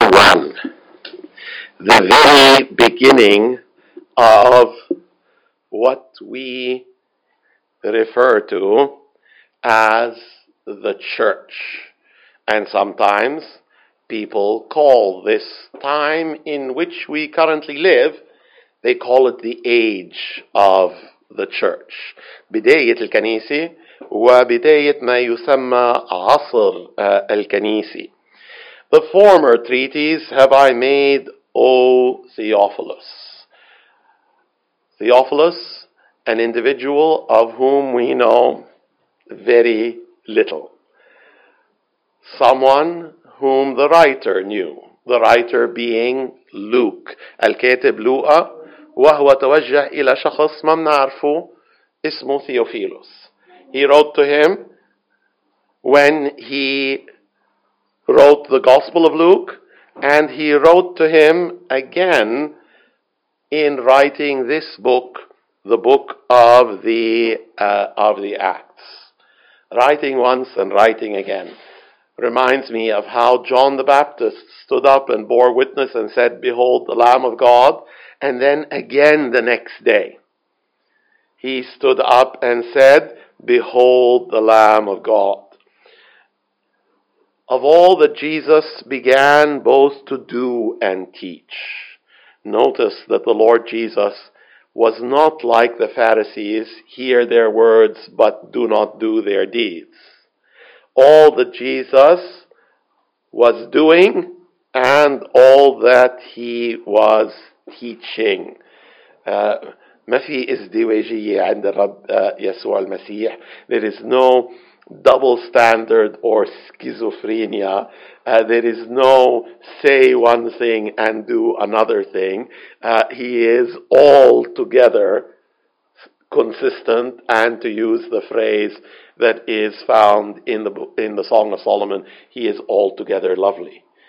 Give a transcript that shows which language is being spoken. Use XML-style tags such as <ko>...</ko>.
<en>the very beginning of what we refer to as the church. And sometimes people call this time in which we currently live, they call it the age of the church.</en> <ar>بداية الكنيسة وبداية ما يسمى عصر الكنيسة.</ar> <en>The former treaties have I made, O Theophilus. Theophilus, an individual of whom we know very little. Someone whom the writer knew, the writer being Luke.</en> <ar>الكاتب لوقا وهو توجه إلى شخص ما بنعرفه اسمه Theophilus.</ar> <en>He wrote to him when he wrote the Gospel of Luke, and he wrote to him again in writing this book, the book of the Acts. Writing once and writing again reminds me of how John the Baptist stood up and bore witness and said, "Behold, the Lamb of God," and then again the next day he stood up and said, "Behold, the Lamb of God." Of all that Jesus began both to do and teach, notice that the Lord Jesus was not like the Pharisees, hear their words but do not do their deeds. All that Jesus was doing and all that he was teaching.</en> <ar>ما في ازدواجية عند الرب يسوع المسيح.</ar> <en>There is no double standard or schizophrenia. There is no say one thing and do another thing. He is altogether consistent, and to use the phrase that is found in the Song of Solomon, he is altogether lovely.</en>